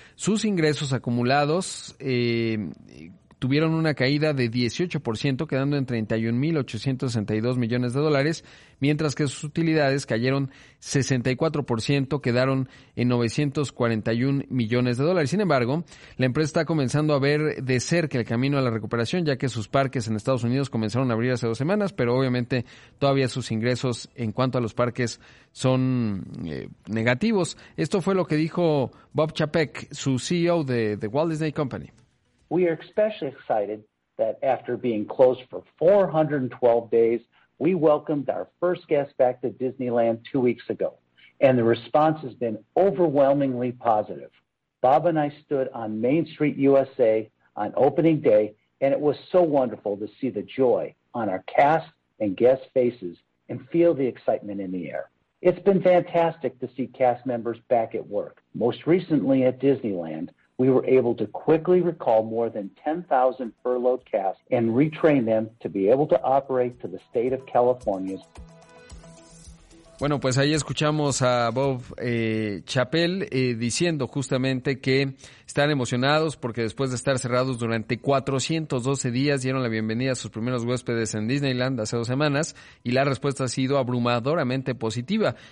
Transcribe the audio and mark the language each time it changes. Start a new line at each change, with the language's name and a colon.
Spanish: Sus ingresos acumulados tuvieron una caída de 18%, quedando en 31,862 millones de dólares, mientras que sus utilidades cayeron 64%, quedaron en 941 millones de dólares. Sin embargo, la empresa está comenzando a ver de cerca el camino a la recuperación, ya que sus parques en Estados Unidos comenzaron a abrir hace dos semanas, pero obviamente todavía sus ingresos en cuanto a los parques son negativos. Esto fue lo que dijo Bob Chapek, su CEO de The Walt Disney Company.
English: We are especially excited that after being closed for 412 days, we welcomed our first guest back to Disneyland 2 weeks ago, and the response has been overwhelmingly positive. Bob and I stood on Main Street USA on opening day, and it was so wonderful to see the joy on our cast and guest faces and feel the excitement in the air. It's been fantastic to see cast members back at work, most recently at Disneyland, we were able to quickly recall more than 10,000 furloughed cast and retrain them to be able to operate to the state of California.
Spanish: Bueno, pues ahí escuchamos a Bob Chappell diciendo justamente que están emocionados porque después de estar cerrados durante 412 días dieron la bienvenida a sus primeros huéspedes en Disneyland hace dos semanas y la respuesta ha sido abrumadoramente positiva.